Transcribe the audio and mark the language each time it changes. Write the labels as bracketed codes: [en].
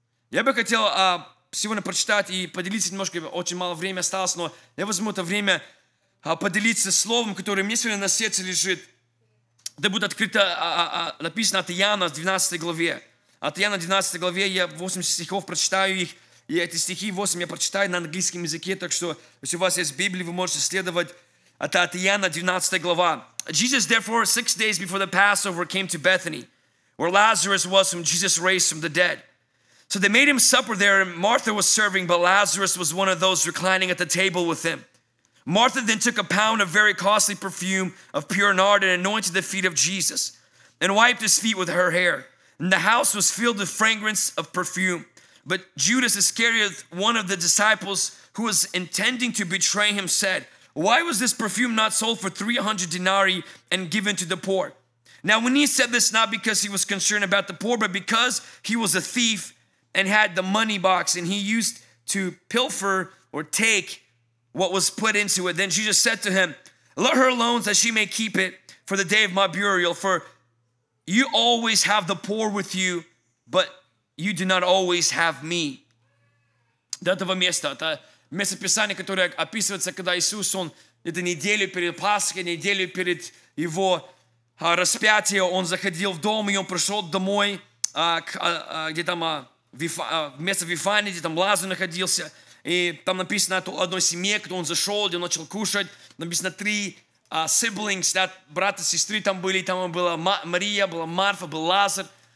[ru] Я бы хотел сегодня прочитать и поделиться немножко, очень мало времени осталось, но я возьму это время поделиться словом, которое мне сегодня на сердце лежит. Это будет открыто, написано от Иоанна в 12 главе. От Иоанна 12 главе я 8 стихов прочитаю их. И эти стихи 8 я прочитаю на английском языке. Так что, если у вас есть Библия, вы можете следовать. Это от Иоанна 12 глава. [en] Jesus, therefore, 6 days before the Passover, came to Bethany, where Lazarus was, whom Jesus raised from the dead. So they made him supper there, and Martha was serving, but Lazarus was one of those reclining at the table with him. Martha then took a pound of very costly perfume of pure nard and anointed the feet of Jesus and wiped his feet with her hair. And the house was filled with fragrance of perfume. But Judas Iscariot, one of the disciples who was intending to betray him, said, "Why was this perfume not sold for 300 denarii and given to the poor?" Now when he said this, not because he was concerned about the poor, but because he was a thief and had the money box, and he used to pilfer or take what was put into it. Then Jesus said to him, "Let her alone, that she may keep it for the day of my burial, for you always have the poor with you, but you do not always have me." [ru] До этого места, это место Писания, которое описывается, когда Иисус, Он где-то неделю перед Пасхой, неделю перед Его распятием, Он заходил в дом, и Он пришел домой, место Вифании, где там Лазарь находился, и там написано о одной семье, когда Он зашел, где Он начал кушать, написано три siblings, да, брата, сестры там были, там была Мария, была Марфа, был Лазарь.